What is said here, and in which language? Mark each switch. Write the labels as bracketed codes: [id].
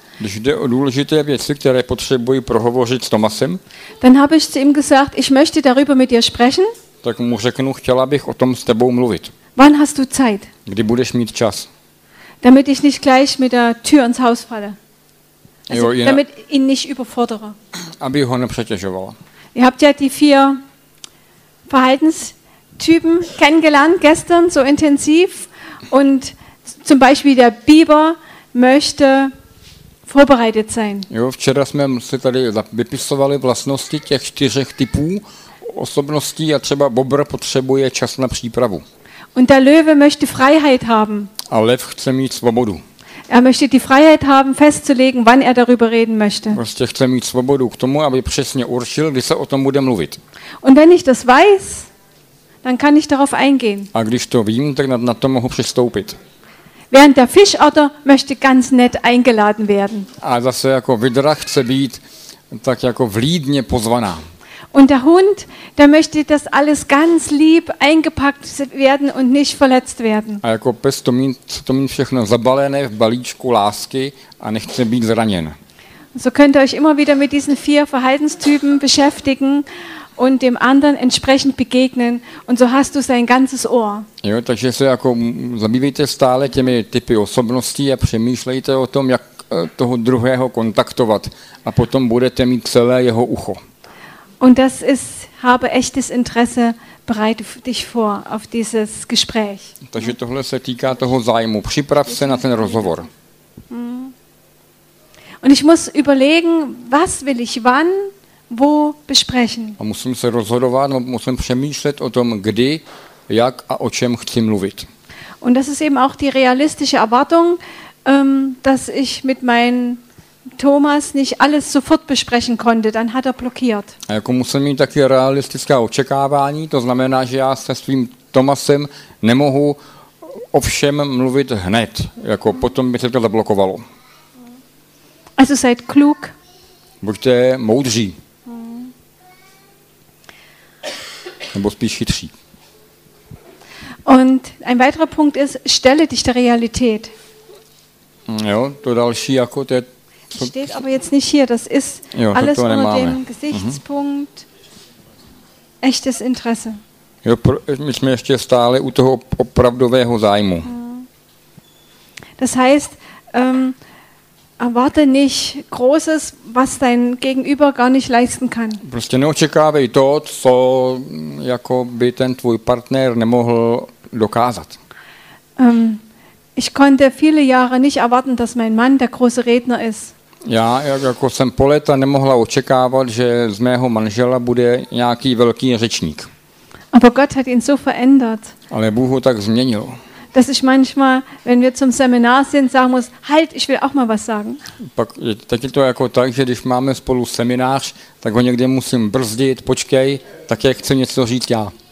[cs] když jde o důležité věci, které potřebuji prohovořit s Tomasem, [de] dann habe ich zu ihm gesagt, ich möchte darüber mit dir sprechen. [cs] Tak mu řeknu, chtěla bych o tom s tebou mluvit. [de] Wann hast du Zeit? [cs] Kdy budeš mít čas? [de] Damit ich nicht gleich mit der Tür ins Haus falle. Also, jo, damit ihn nicht überfordere. [cs] Aby ho nepřetěžovala. [de] Ihr habt ja die vier Verhaltenstypen kennengelernt gestern so intensiv und zum Beispiel der Biber möchte vorbereitet sein. [cs] Jo, včera jsme si tady vypisovali vlastnosti těch čtyřech typů osobností a třeba bobr potřebuje čas na přípravu. [de] Und der Löwe möchte Freiheit haben. [cs] A lev chce mít svobodu. [de] Er möchte die Freiheit haben, festzulegen, wann er darüber reden möchte. [cs] Prostě chce mít svobodu k tomu, aby přesně určil, kdy se o tom bude mluvit. [de] Und wenn ich das weiß, dann kann ich darauf eingehen. [cs] A když to vím, tak na to mohu přistoupit. [de] Während der Fischotter möchte ganz nett eingeladen werden. [cs] A zase jako vidra chce být tak jako vlídně pozvaná. [de] Und der Hund, der möchte, dass alles ganz lieb eingepackt werden und nicht verletzt werden. [cs] A jako pes to mít všechno zabalené v balíčku lásky a nechce být zraněn. [de] So könnt ihr euch immer wieder mit diesen vier Verhaltenstypen beschäftigen und dem anderen entsprechend begegnen und so hast du sein ganzes Ohr. [cs] Jo, takže se jako zabývejte stále těmi typy osobností a přemýšlejte o tom, jak toho druhého kontaktovat a potom budete mít celé jeho ucho. [de] Und das ist, habe echtes Interesse, bereite dich vor auf dieses Gespräch. [cs] Takže tohle se týká toho zájmu. Připrav se na ten rozhovor. [de] Und ich muss überlegen, was will ich wann, wo besprechen. [cs] A musím se rozhodovat, musím přemýšlet o tom, kdy, jak a o čem chci mluvit. [de] Und das ist eben auch die realistische Erwartung, dass ich mit meinen Thomas nicht alles sofort besprechen konnte, dann hat er blockiert. [cs] Jako musím mít taky realistická očekávání, to znamená, že já se svým Thomasem nemohu o všem mluvit hned, jako potom by se to zablokovalo. [de] Also seid klug. [cs] Buďte moudří. Nebo spíš chytří. [de] Und ein weiterer Punkt ist, stelle dich der Realität. [cs] Jo, to další jako to je [de] steht aber jetzt nicht hier, das ist jo, alles unter dem Gesichtspunkt echtes Interesse. [cs] Jo, my jsme ještě stále u toho opravdového zájmu. [de] Das heißt, erwarte nicht Großes, was dein Gegenüber gar nicht leisten kann. [cs] Prostě neočekávej to, co jako by ten tvůj partner nemohl dokázat. [de] Ich konnte viele Jahre nicht erwarten, dass mein Mann der große Redner ist. [cs] Já jako jsem po léta nemohla očekávat, že z mého manžela bude nějaký velký řečník. [de] Aber Gott hat ihn so verändert. [cs] Ale Bůh ho tak změnil. [de] Dass ich manchmal, wenn wir zum Seminar sind, sagen muss, halt, ich will auch mal was sagen. [cs] Pak je, tak je to jako tak, že když máme spolu seminář, tak ho někde musím brzdit, počkej, tak já chci něco říct já.